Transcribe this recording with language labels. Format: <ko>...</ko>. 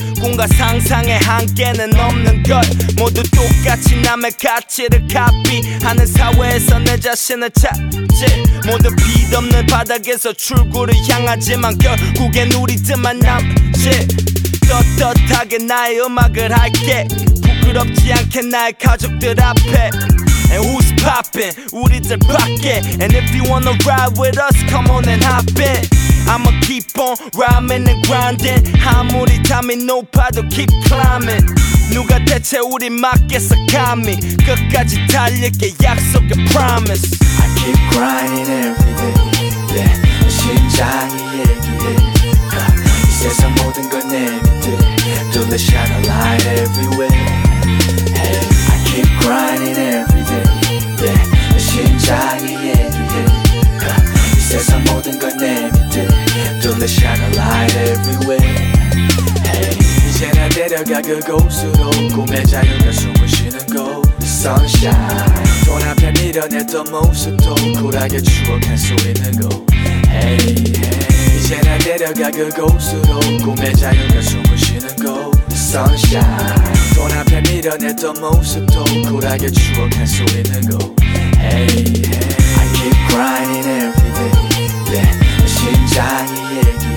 <ko>꿈과 상상의 한계는 없는 것. 모두 똑같이 남의 가치를 카피하는 사회에서 내 자신을 찾지. 모두 빛없는 바닥에서 출구를 향하지만 결국엔 우리 뜻만 남지. 떳떳하게 나의 음악을 할게. 부끄럽지 않게 나의 가족들 앞에.</ko> <en>And who's poppin'?</en> <ko>우리들 밖에.</ko> <en>And if you wanna ride with us, come on and hop in. I'ma keep on rhyming and grinding.</en> <ko>아무리 담이 높아도</ko> <en>keep climbing.</en> <ko>누가 대체 우리 맡겠어 감히. 끝까지 달릴게 약속에 promise.</ko> <en>I keep grinding everyday.</en> <ko>Yeah, 심장이 얘기해. 이 세상 모든 걸 내비듯</ko> <en>Do the shadow light everywhere. Hey, I keep grinding everyday.</en> <ko>Yeah, 심장이 얘기해. 이 세상 모든 걸 내비듯</ko> <en>Do the shadow light everywhere. Hey,</en> <ko>이제 나 데려가 그곳으로 꿈의 자유가 숨을 쉬는 곳</ko> <en>Sunshine.</en> <ko>돈 앞에 밀어냈던 모습도 쿨하게 추억할 수 있는 곳 Hey, hey. 이제 나 데려가 그곳으로 꿈의 자유가 숨을 쉬는 곳</ko> <en>Sunshine.</en> <ko>돈 앞에 밀어냈던 모습도 쿨하게 추억할 수 있는 곳 Hey, hey.</ko> <en>I keep grinding every day.</en> <ko>심장이 얘기해.</ko>